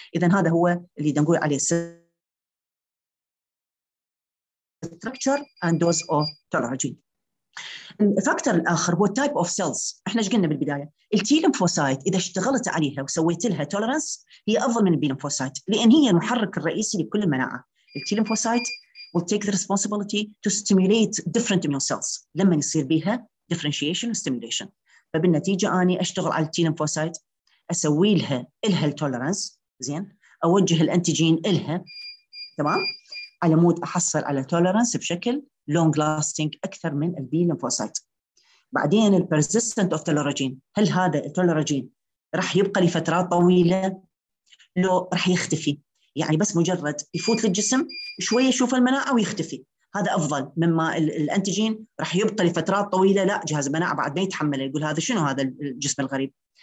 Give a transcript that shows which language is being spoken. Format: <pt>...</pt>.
<ar>اذا هذا هو اللي نقول عليه</ar> <en>Structure and dose of tolerogen.</en> <ar>الفاكتور الاخر هو تايب اوف سيلز. احنا ايش قلنا بالبدايه؟ التي لمفوسايت اذا اشتغلت عليها وسويت لها توليرانس هي افضل من البي لمفوسايت، لان هي المحرك الرئيسي لكل المناعه.</ar> <en>التي lymphocyte will take the responsibility to stimulate different immune cells</en> <ar>لما يصير بها</ar> <en>differentiation and stimulation. ف</en> <ar>فبالنتيجه اني اشتغل على التي لمفوسايت، اسوي لها التولرانس زين، اوجه الانتيجين لها تمام على مود احصل على تولرانس بشكل لونج لاستنج اكثر من البي لمفوسايت. بعدين البرسيستنت اوف تولروجين، هل هذا التولروجين راح يبقى لفترات طويله لو راح يختفي؟ يعني بس مجرد يفوت للجسم شويه يشوف المناعه ويختفي، هذا افضل مما الانتيجين راح يبقى لفترات طويله لا جهاز المناعه بعد ما يتحمله يقول هذا شنو هذا الجسم الغريب.</ar>